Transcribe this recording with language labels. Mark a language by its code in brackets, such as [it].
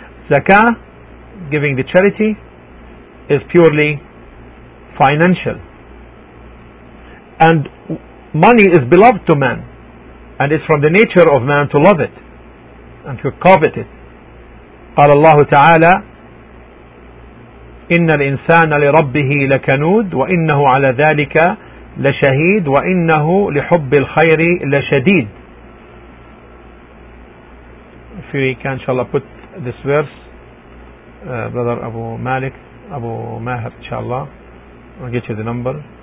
[en] Zakah, giving the charity, is purely financial. And money is beloved to man, and it's from the nature of man to love it and to covet it. [ar] قال الله تعالى إن الإنسان لربه لكنود وإنه على ذلك لشهيد وإنه لحب الخير لشديد. [en] We can, inshallah, put this verse, brother Abu Malik, Abu Maher, inshallah. I'll get you the number.